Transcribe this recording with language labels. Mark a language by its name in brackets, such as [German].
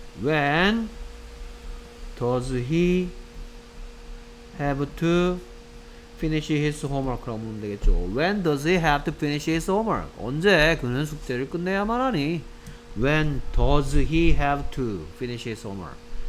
[English] When does he have to finish his homework라고 [Korean] 묻으면 되겠죠. [English] When does he have to finish his homework? [Korean] 언제 그는 숙제를 끝내야만 하니? [English] When does he have to finish his homework?